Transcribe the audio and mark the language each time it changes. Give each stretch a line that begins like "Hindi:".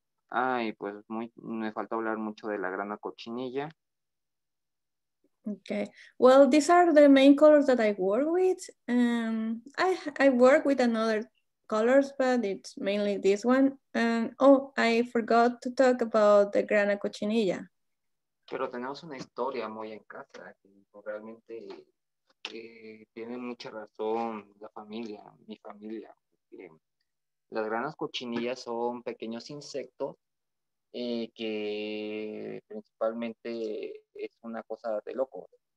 Spanish: Ay, pues muy, me falta hablar mucho de la grana cochinilla. Okay.
English: Well, these are the main colors that I work with. I work with another colors, but it's mainly this one. I forgot to talk about the grana cochinilla.
Spanish: Pero tenemos una historia muy en casa. Realmente tiene mucha razón la familia, mi familia. Las granas cochinillas son pequeños insectos. Que principalmente es una cosa de loco.